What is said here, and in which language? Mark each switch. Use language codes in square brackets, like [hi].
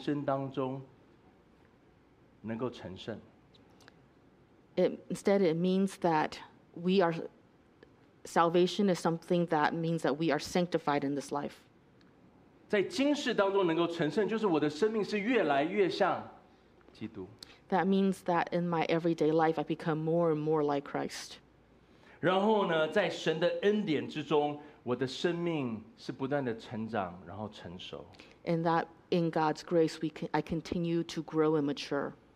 [zh] 在基督里所得到的救恩是让我在今世的这个人生当中能够成圣。 [en] Instead, it means that we are salvation is something that means that we are sanctified in this life. [zh] 在今世当中能够成圣，就是我的生命是越来越像基督。 [en] That means that in my everyday life, I become more and more like Christ. [zh] 然后呢，在神的恩典之中，我的生命是不断的成长，然后成熟。 [en] And that in God's grace, I continue to grow and mature.